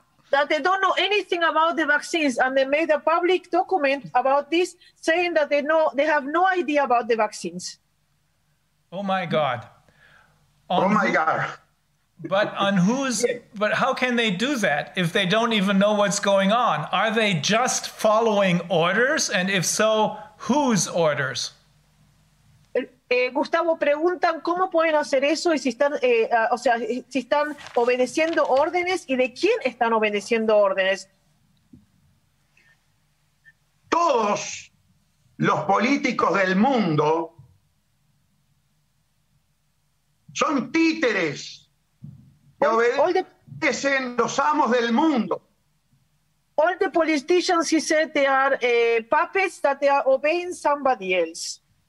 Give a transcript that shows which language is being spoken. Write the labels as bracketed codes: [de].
[en] That they don't know anything about the vaccines and they made a public document about this saying that they have no idea about the vaccines. Oh my God. Oh my God. But on whose, but how can they do that if they don't even know what's going on? Are they just following orders? And if so, whose orders? [es] Gustavo, preguntan cómo pueden hacer eso y si están, o sea, si están obedeciendo órdenes y de quién están obedeciendo órdenes. Todos los políticos del mundo son títeres que obedecen los amos del mundo. [en] All the politicians, he said, they are puppets that they are obeying somebody else.